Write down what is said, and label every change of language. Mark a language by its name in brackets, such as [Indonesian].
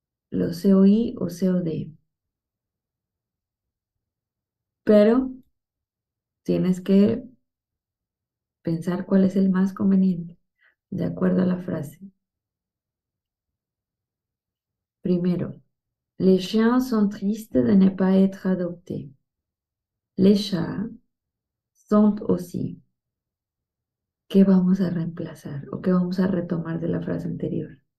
[French] Le COI ou COD. [Spanish] Pero tienes que pensar cuál es el más conveniente, de acuerdo a la frase. [French] Primero, les chiens sont tristes de ne pas être adoptés. Les chats sont aussi. [Spanish] ¿Qué vamos a reemplazar o qué vamos a retomar de la frase anterior?